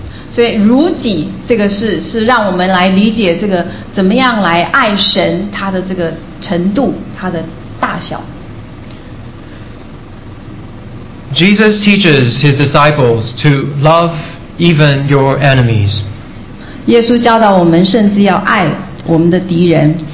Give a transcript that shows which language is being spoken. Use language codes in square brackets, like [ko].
[zh] 所以如己这个是让我们来理解这个怎么样来爱神他的这个程度他的大小 [en] Jesus teaches his disciples to love even your enemies [zh] 耶稣教导我们甚至要爱我们的敌人